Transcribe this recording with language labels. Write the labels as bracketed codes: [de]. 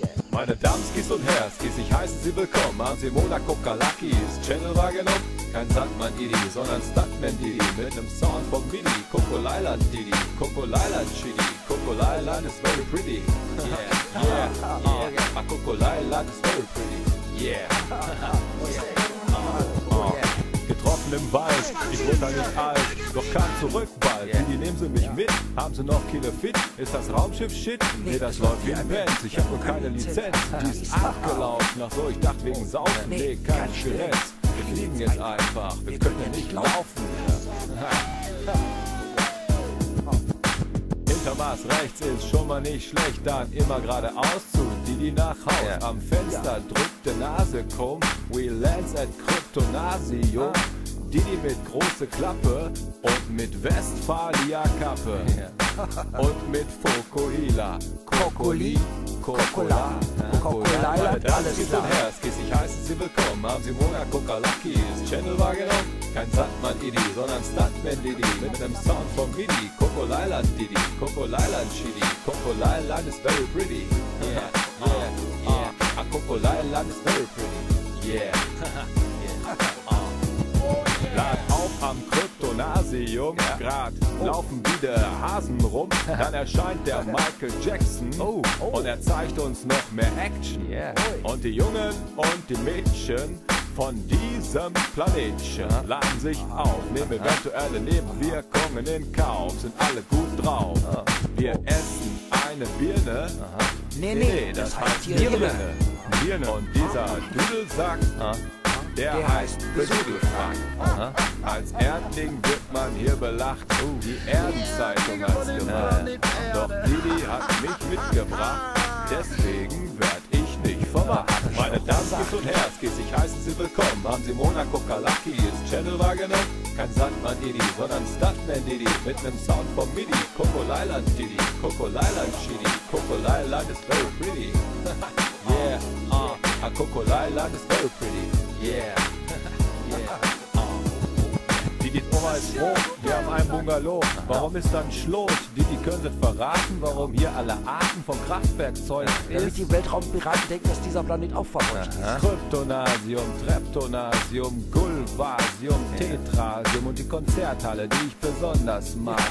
[de] Meine Damskis und Herskis, ich heiße Sie willkommen an Simona Kokalakis. Channel war genug, kein Sandmann-Idi, sondern Stuntman-Didi. Mit einem Sound von Midi, Kokolailan-Didi, Kokolailan-Chidi. [en] Kokolailan is very pretty, yeah, yeah, yeah. My Kokolailan is very pretty, yeah. [de] Im Wald, ich wurde da nicht alt, doch kam zurück bald. Yeah. Die nehmen sie mich mit, haben sie noch Kilo fit? Ist das Raumschiff shit? Nee, das läuft wie ein Benz, ich hab nur keine Lizenz. Die ist abgelaufen, ach so, ich dachte wegen Saufen. Nee, kein Schiss, wir fliegen jetzt einfach, wir können ja nicht laufen. Mars rechts ist schon mal nicht schlecht, dann immer geradeaus zu Didi nach Haus. Yeah. Am Fenster drückte Nase, komm, [en] we lands at [de] Kryptonasio. Didi mit große Klappe und mit Westfalia-Kappe. Yeah. Und mit Fokuhila, Kokoli, Kokola, Kokola, alles klar. Herskis, ich heiße Sie willkommen, haben Sie Mona Kokalaki, ist Channel war genau. Kein Sandmann-Idi, sondern Stuntman-Didi. Mit einem Sound von Midi, Kokolailan-Didi, Kokolailan-Chidi. [en] Kokolailan is very pretty, yeah, yeah, yeah. A Kokolailan is very pretty, yeah, yeah. [de] Am Kryptonasium, ja. Grad laufen wieder Hasen rum. Dann erscheint der Michael Jackson und er zeigt uns noch mehr Action. Yeah. Und die Jungen und die Mädchen von diesem Planetchen laden sich auf, nehmen eventuelle Nebenwirkungen in Kauf, sind alle gut drauf. Wir essen eine Birne. Nee, das heißt hier Birne. Und dieser Dudelsack. Der heißt Besudelfrank. Als Erdling wird man hier belacht. Die Erdenzeitung hat's gemacht. Doch Didi hat mich mitgebracht. Deswegen werd ich nicht verwacht. Meine Damskis und Herskis, ich heiße Sie willkommen. Haben Sie Mona Kokalaki, ist Channel war genug. Kein Sandmann Didi, sondern Stuntman Didi. Mit nem Sound vom Midi. Kokolailan Didi, Kokolailan Chidi. [en] Kokolailan is very pretty. Yeah, a Kokolailan is very pretty. Yeah, yeah, [de] Didi's Oma ist rot, wir haben ein Bungalow. Warum ist dann Schlot? Didi könnte verraten, warum hier alle Arten von Kraftwerkzeug ist. Damit die Weltraumpiraten denken, dass dieser Planet auch verrutscht ist. Kryptonasium, Treptonasium, Gulvasium, Tetrasium und die Konzerthalle, die ich besonders mag.